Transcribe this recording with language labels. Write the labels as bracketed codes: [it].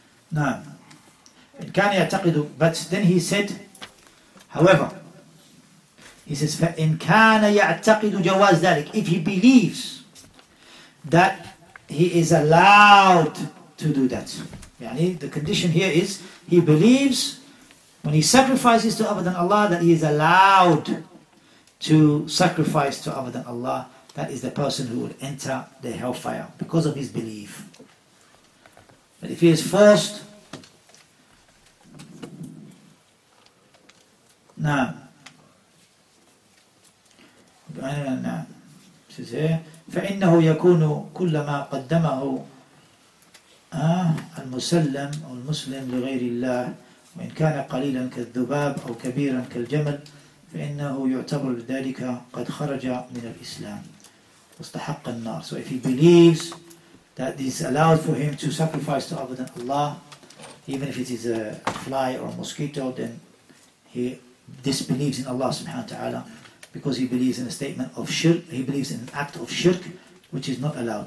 [en] No. But then he said, however, he says, [ar] فَإِنْ كَانَ يَعْتَقِدُ جَوَازْ ذَلِكَ, [en] if he believes that he is allowed to do that. Yani, the condition here is, he believes when he sacrifices to other than Allah that he is allowed to sacrifice to other than Allah, that is the person who would enter the hellfire because of his belief. But if he is forced, [ar] فَإِنَّهُ يَكُونُ كُلَّمَا قَدَّمَهُ المسلم أو المسلم لغير الله وإن كان قليلا كالذباب أو كبيرا كالجمل فإنه يعتبر ذلك قد خرج من الإسلام واستحق النار. [en] So if he believes that this allowed for him to sacrifice to other than Allah, even if it is a fly or a mosquito, then he disbelieves in Allah subhanahu wa ta'ala, because he believes in a statement of shirk, he believes in an act of shirk, which is not allowed.